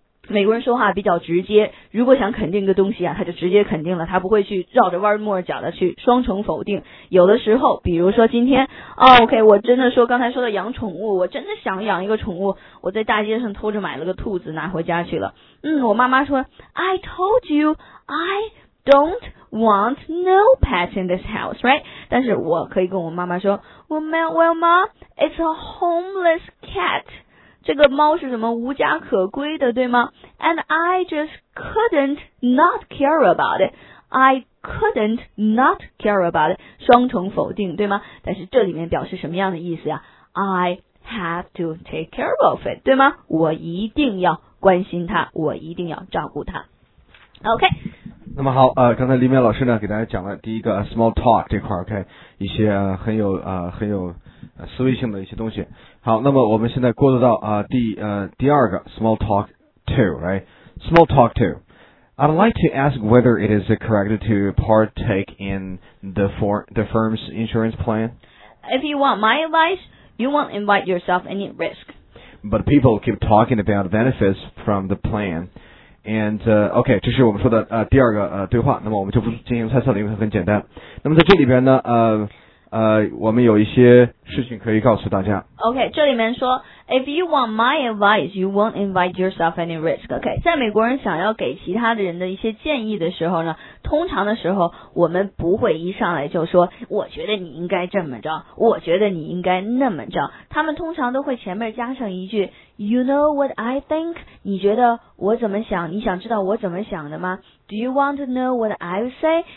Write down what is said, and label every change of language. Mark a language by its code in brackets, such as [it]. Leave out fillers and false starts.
[zh] 美国人说话比较直接，如果想肯定个东西啊，他就直接肯定了，他不会去绕着弯抹角的去双重否定。有的时候比如说今天哦 OK， 我真的说刚才说的养宠物，我真的想养一个宠物，我在大街上偷着买了个兔子拿回家去了。嗯，我妈妈说 [en] I told you I don't want no pets in this house, right? [zh] 但是我可以跟我妈妈说 [en] Well, mom, it's a homeless cat. [zh] 这个猫是什么无家可归的，对吗？ [en] And I just couldn't not care about it. I couldn't not care about it. [zh] 双重否定，对吗？但是这里面表示什么样的意思呀？ [en] I have to take care of it, [zh] 对吗？我一定要关心它，我一定要照顾它。OK。那么好，刚才黎明老师呢给大家讲了第一个 small talk 这块 ，OK， 一些很有。思维性的一些东西。好，那么我们现在过渡到第二个 [en] small talk two， right？ Small talk two， I'd like to ask whether it is correct to partake in the firm's insurance plan. If you want my advice, you won't invite yourself any risk. But people keep talking about benefits from the plan. And okay， [zh] 这是我们说的第二个对话。那么我们就不进行猜测了，因为很简单。那么在这里边呢，我们有一些事情可以告诉大家。 [en] OK， [zh] 这里面说 [en] If you want my advice, you won't invite yourself any risk. [zh] OK， 在美国人想要给其他的人的一些建议的时候呢，通常的时候我们不会一上来就说我觉得你应该这么着，我觉得你应该那么着，他们通常都会前面加上一句 [en] You know what I think? [zh] 你觉得我怎么想？你想知道我怎么想的吗？ [en] Do you want to know what I say?